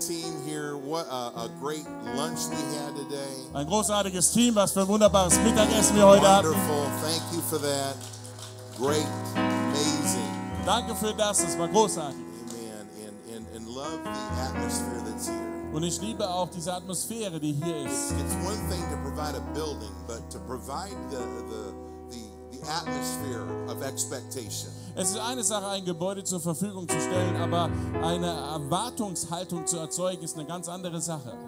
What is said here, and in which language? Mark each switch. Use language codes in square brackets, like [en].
[en] Team here. What a great lunch we had today. [de] Ein großartiges Team. Was für ein wunderbares Mittagessen wir heute hatten. [en] Wonderful. Thank you for that. Great. Amazing. [de] Danke für das. Das war großartig. [en] Amen. And love the atmosphere that's here. [de] Und ich liebe auch diese Atmosphäre, die hier ist. [en] It's one thing to provide a building, but to provide the atmosphere of expectation. [de] Es ist eine Sache, ein Gebäude zur Verfügung zu stellen, aber eine Erwartungshaltung zu erzeugen, ist eine ganz andere Sache.